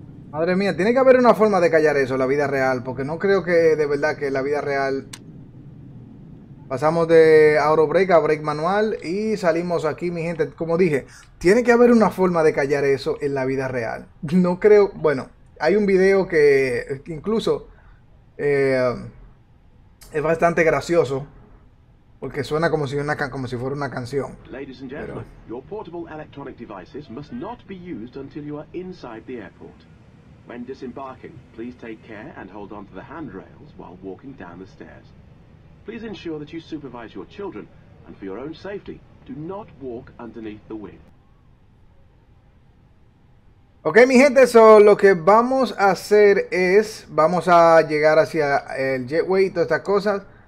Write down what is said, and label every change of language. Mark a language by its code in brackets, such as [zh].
[es] Madre mía, tiene que haber una forma de callar eso en la vida real, porque no creo que de verdad que en la vida real pasamos de auto brake a brake manual y salimos aquí, mi gente. Como dije, tiene que haber una forma de callar eso en la vida real. No creo. Bueno, hay un video que incluso es bastante gracioso. Porque suena como si una como si fuera una canción. [en] Ladies and gentlemen, [es] Pero [en] your portable electronic devices must not be used until you are inside the airport. When disembarking, please take care and hold on to the handrails while walking down the stairs. Please ensure that you supervise your children, and for your own safety, do not walk underneath the wing. [es] okay, mi gente, eso lo que vamos a hacer es vamos a llegar hacia el jetway y todas estas cosas.